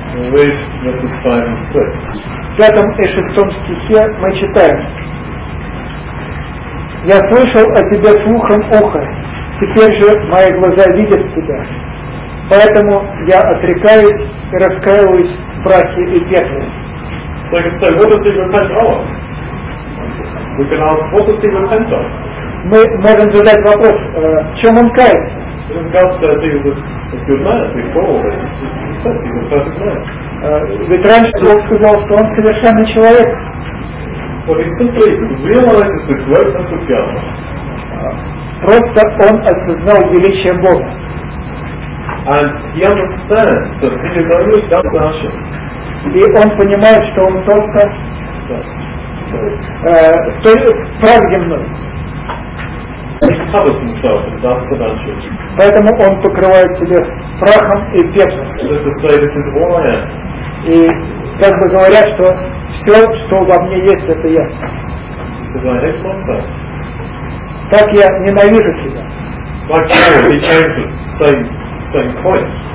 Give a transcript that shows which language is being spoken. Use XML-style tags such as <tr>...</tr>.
<en>Read verses 5 and 6.</en> <ru>В 5 и 6 стихе мы читаем. Я слышал о тебе слухом ухо, теперь же мои глаза видят тебя. Поэтому я отрекаюсь и раскаиваюсь в прахе и пепле.</ru> <en>So I can say, what does he repent of? We can ask, what does he repent of?</en> <ru>Мы можем задать вопрос, в чем он кается?</ru> <en>Because God says he was a good man before. He says he's a perfect man.</en> <ru>Ведь раньше Бог сказал, что он совершенный человек.</ru> <en>But he simply realizes the greatness of God.</en> <ru>Просто он осознал величие Бога.</ru> <en>And he understands that he is only dust and ashes.</en> <ru>И он понимает, что он только прах земной.</ru> <en>He covers himself in dust and ashes.</en> <ru>Поэтому он покрывает себя прахом и пеплом.</ru> <en>As if to say, this is all I am.</en> <ru>И как бы говоря, что все, что во мне есть, это я.</ru> <en>He says, I hate myself.</en> <ru>Так я ненавижу себя.</ru> <en>Like Paul, he came to the same point.</en>